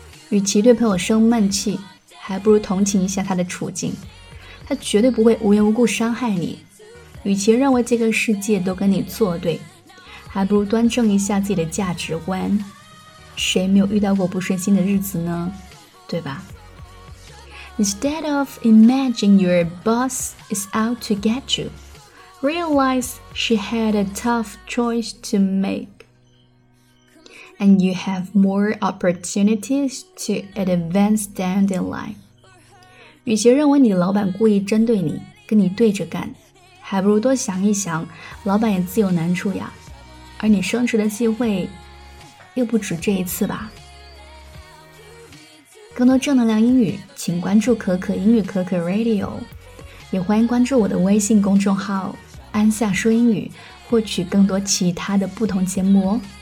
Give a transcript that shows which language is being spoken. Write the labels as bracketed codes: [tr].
[zh] 与其对朋友生闷气，还不如同情一下他的处境。他绝对不会无缘无故伤害你。与其认为这个世界都跟你作对，还不如端正一下自己的价值观。谁没有遇到过不顺心的日子呢？对吧？ [en] Instead of imagining your boss is out to get you, realize she had a tough choice to make. And you have more opportunities to advance down the line. [zh] 与其认为你老板故意针对你，跟你对着干，还不如多想一想，老板也自有难处呀。而你升职的机会又不止这一次吧。更多正能量英语，请关注可可英语可可 Radio， 也欢迎关注我的微信公众号安夏说英语，获取更多其他的不同节目哦。